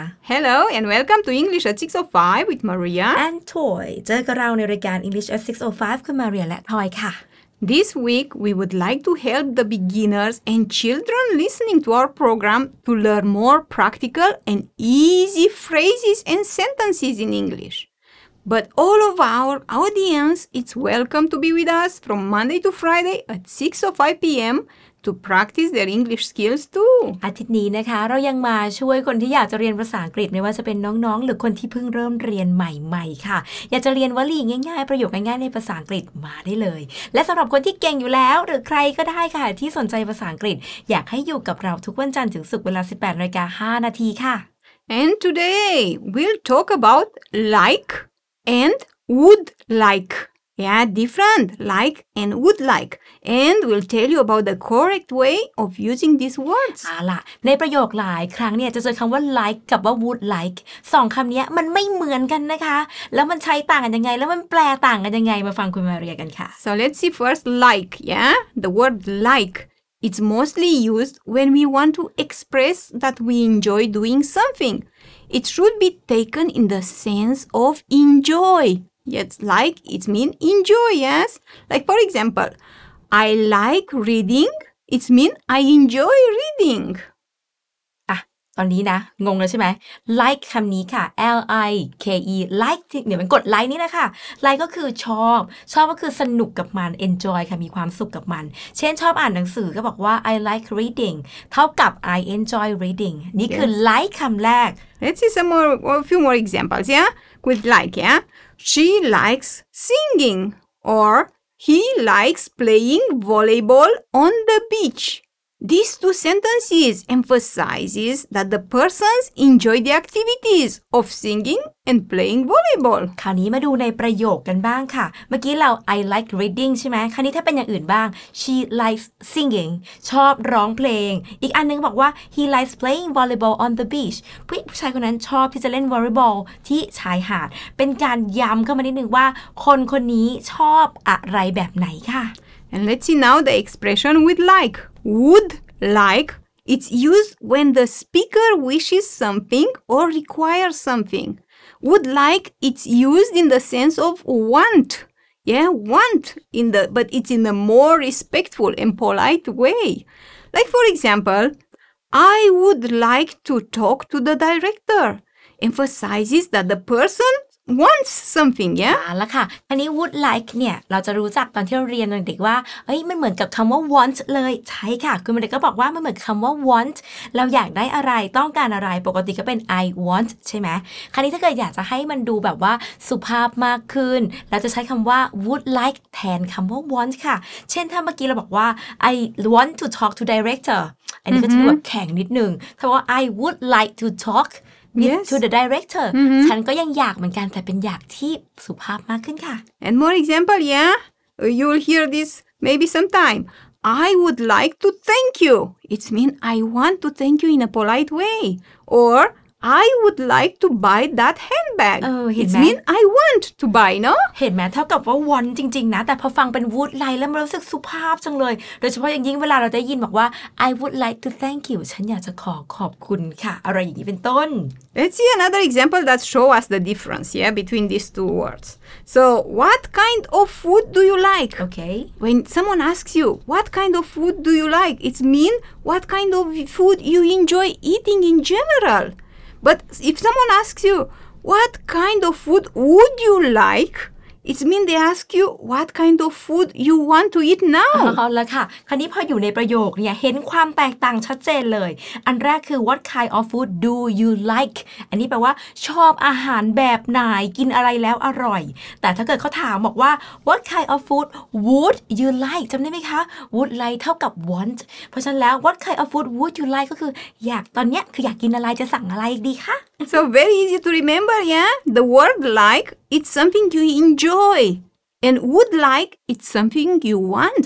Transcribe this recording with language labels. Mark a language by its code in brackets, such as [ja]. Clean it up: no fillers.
[en] Hello and welcome to English at 6:05 with Maria and Toy. [th] เจอกับเราในรายการ English at 6:05 คุณ Maria และ Toy ค่ะ [en] This week we would like to help the beginners and children listening to our program to learn more practical and easy phrases and sentences in English. But all of our audience, it's welcome to be with us from Monday to Friday at 6:05 p.m. to practice their English skills too. [th] อาทิตย์นี้นะคะเรายังมาช่วยคนที่อยากจะเรียนภาษาอังกฤษไม่ว่าจะเป็นน้องๆหรือคนที่เพิ่งเริ่มเรียนใหม่ๆค่ะอยากจะเรียนวลีง่ายๆประโยคง่ายๆในภาษาอังกฤษมาได้เลยและสำหรับคนที่เก่งอยู่แล้วหรือใครก็ได้ค่ะที่สนใจภาษาอังกฤษอยากให้อยู่กับเราทุกวันจันทร์ถึงศุกร์เวลา 18:05 น.ค่ะ [en] And today we'll talk about likeAnd would like. Yeah, different. Like and would like. And we'll tell you about the correct way of using these words. [th] อ่าล่ะในประโยคหลายครั้งเนี่ยจะเจอคำว่า like กับว่า would like. สองคำนี้มันไม่เหมือนกันนะคะแล้วมันใช้ต่างกันยังไงแล้วมันแปลต่างกันยังไงมาฟังคุณมาเรียกันค่ะ [en] So let's see first like. Yeah, the word like. It's mostly used when we want to express that we enjoy doing something. It should be taken in the sense of enjoy. Yet, like, it means enjoy, yes? Like, for example, I like reading. It means I enjoy reading. [th] ตอนนี้นะงงแล้วใช่ไหม like คำนี้ค่ะ L-I-K-E like เดี๋ยวมันกด like นี่นะคะ like ก็คือชอบชอบก็คือสนุกกับมัน enjoy ค่ะมีความสุขกับมันเช่นชอบอ่านหนังสือก็บอกว่า [en] I like reading [th] เท่ากับ [en] I enjoy reading [th] นี่ [en] yes. [th] คือ like คำแรก [en] Let's see some more a few more examples yeah with like yeah she likes singing or he likes playing volleyball on the beachThese two sentences emphasizes that the persons enjoy the activities of singing and playing volleyball. [th] คราวนี้มาดูในประโยคกันบ้างค่ะเมื่อกี้เรา I like reading ใช่ไหมคราวนี้ถ้าเป็นอย่างอื่นบ้าง [en] She likes singing [th] ชอบร้องเพลงอีกอันนึงบอกว่า [en] He likes playing volleyball on the beach [th] ผู้ชายคนนั้นชอบที่จะเล่น volleyball ที่ชายหาดเป็นการย้ำเข้ามานิดนึงว่าคนคนนี้ชอบอะไรแบบไหนค่ะ [en] And let's see now the expression with likeWould like, it's used when the speaker wishes something or requires something. Would like, it's used in the sense of want. Yeah, want, but it's in a more respectful and polite way. Like, for example, I would like to talk to the director. Emphasizes that the person... Wants something, yeah? [th] แล้วค่ะอันนี้ would like เนี่ยเราจะรู้จักตอนที่เราเรียนเด็กว่าเอ้ยมันเหมือนกับคำว่า want เลยใช่ค่ะคุณเด็กก็บอกว่ามันเหมือนคำว่า want เราอยากได้อะไรต้องการอะไรปกติก็เป็น I want ใช่ไหมคราวนี้ถ้าเกิดอยากจะให้มันดูแบบว่าสุภาพมากขึ้นเราจะใช้คำว่า would like แทนคำว่า want ค่ะเช่นถ้าเมื่อกี้เราบอกว่า [en] I want to talk to director [th] อันนี้ก็จะดูแบบแข็งนิดนึงถ้าว่า [en] I would like to talkYes. To the director. Mm-hmm. [th] ฉันก็ยังอยากเหมือนกันแต่เป็นอยากที่สุภาพมากขึ้นค่ะ [en] And more example, yeah? You'll hear this maybe sometime. I would like to thank you. It means I want to thank you in a polite way. Or... I would like to buy that handbag. Oh, it means I want to buy, no? [th] เห็นไหมเท่ากับว่า want จริงๆนะแต่พอฟังเป็น would like แล้วมันรู้สึกสุภาพจังเลยโดยเฉพาะอย่างยิ่งเวลาเราได้ยินบอกว่า [en] I would like to thank you. [th] ฉันอยากจะขอขอบคุณค่ะอะไรอย่างนี้เป็นต้น [en] Let's see another example that show us the difference, yeah, between these two words. So, what kind of food do you like? Okay. When someone asks you, what kind of food do you like? It means what kind of food you enjoy eating in general. But if someone asks you, what kind of food would you like? It means they ask you, what kind of food you want to eat now? [th] เอาละค่ะคราวนี้พออยู่ในประโยคเนี่ยเห็นความแตกต่างชัดเจนเลยอันแรกคือ [en] what kind of food do you like? [th] อันนี้แปลว่าชอบอาหารแบบไหนกินอะไรแล้วอร่อยแต่ถ้าเกิดเขาถามบอกว่า [en] what kind of food would you like? [th] จำได้ไหมคะ would like เท่ากับ want เพราะฉะนั้นแล้ว [en] what kind of food would you like? [th] ก็คืออยากตอนเนี้ยคืออยากกินอะไรจะสั่งอะไรดีคะ [en] So very easy to remember, yeah? The word like, it's something you enjoy. And would like, it's something you want.